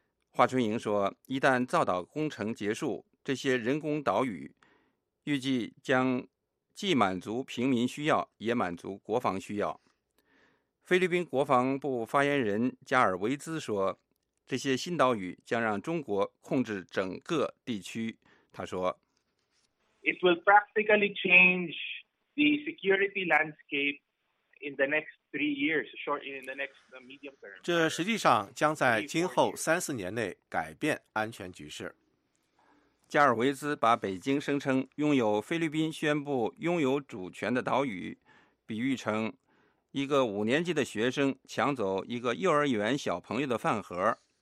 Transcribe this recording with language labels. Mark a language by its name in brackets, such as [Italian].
[Chinese] 华春莹说，一旦造岛工程结束，这些人工岛屿预计将既满足平民需要，也满足国防需要。菲律宾国防部发言人加尔维兹说，这些新岛屿将让中国控制整个地区。他说 [English] It will practically change the security landscape in the next three years, short in the next medium term. [Chinese] 这实际上将在今后三四年内改变安全局势。加尔维兹把北京声称拥有菲律宾宣布拥有主权的岛屿比喻成一个五年级的学生抢走一个幼儿园小朋友的饭盒。